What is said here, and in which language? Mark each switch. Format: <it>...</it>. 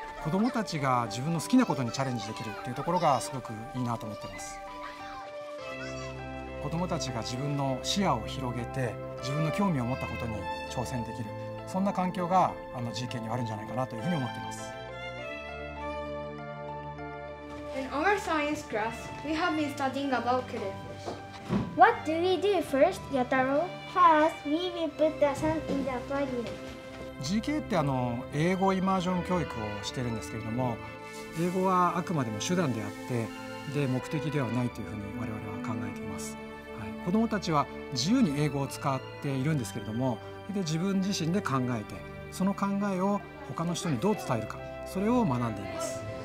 <ja>どもたちが自分の好きなことにチャレンジできるっていうところがすごくいいなと思ってます。子どもたちが自分の視野を広げて自分の興味を持ったことに挑戦できる、そんな環境があの GKA にはあるんじゃないかなというふうに思っています。</ja> <en>In our science class, we have been studying about killifish. What do we do first, Yataro? First, we will put the sun in the aquarium.</en> <ja>GKA ってあの英語イマージョン教育をしているんですけれども、英語はあくまでも手段であって、で目的ではないというふうに我々は考えています、はい。子どもたちは自由に英語を使っているんですけれども、で自分自身で考えて、その考えを他の人にどう伝えるか、それを学んでいます。</ja>